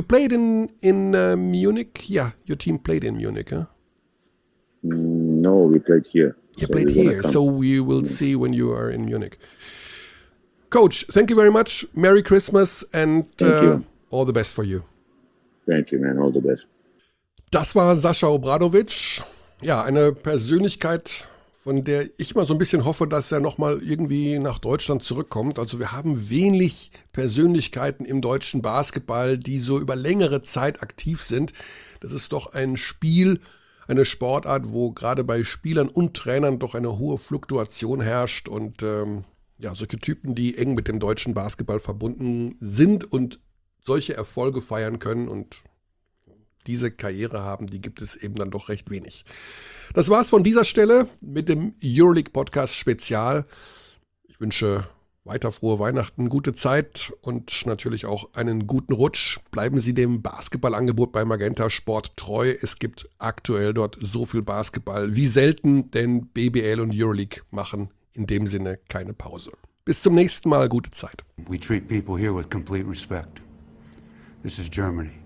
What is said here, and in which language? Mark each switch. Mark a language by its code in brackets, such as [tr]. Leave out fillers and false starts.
[en] You played in Munich. Yeah, your team played in Munich, huh? No, we played here. You played here, so we will see when you are in Munich. Coach, thank you very much. Merry Christmas and all the best for you. Thank you, man. All the best. [de] Das war Sascha Obradovic. Ja, eine Persönlichkeit, von der ich mal so ein bisschen hoffe, dass er nochmal irgendwie nach Deutschland zurückkommt. Also wir haben wenig Persönlichkeiten im deutschen Basketball, die so über längere Zeit aktiv sind. Das ist doch ein Spiel, eine Sportart, wo gerade bei Spielern und Trainern doch eine hohe Fluktuation herrscht und solche Typen, die eng mit dem deutschen Basketball verbunden sind und solche Erfolge feiern können und diese Karriere haben, die gibt es eben dann doch recht wenig. Das war's von dieser Stelle mit dem EuroLeague-Podcast-Spezial. Ich wünsche weiter frohe Weihnachten, gute Zeit und natürlich auch einen guten Rutsch. Bleiben Sie dem Basketballangebot bei Magenta Sport treu. Es gibt aktuell dort so viel Basketball wie selten, denn BBL und EuroLeague machen in dem Sinne keine Pause. Bis zum nächsten Mal, gute Zeit. [en] We treat people here with complete respect. This is Germany.